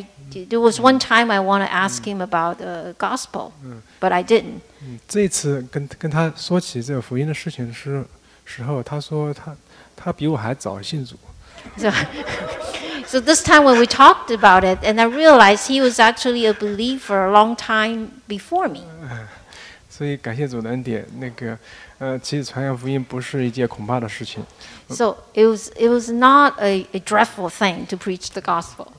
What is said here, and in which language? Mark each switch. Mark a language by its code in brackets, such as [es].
[en] There was one time I want to ask him about the gospel, but I didn't. [zh] 这一次跟他说起这个福音的事情是。时候他说他比我还早信主。 [en] So this time when we talked about it, and I realized he was actually a believer a long time before me. [zh] 所以感谢主的恩典，那个其实传扬福音不是一件恐怕的事情。 [en] So it was not a dreadful thing to preach the gospel.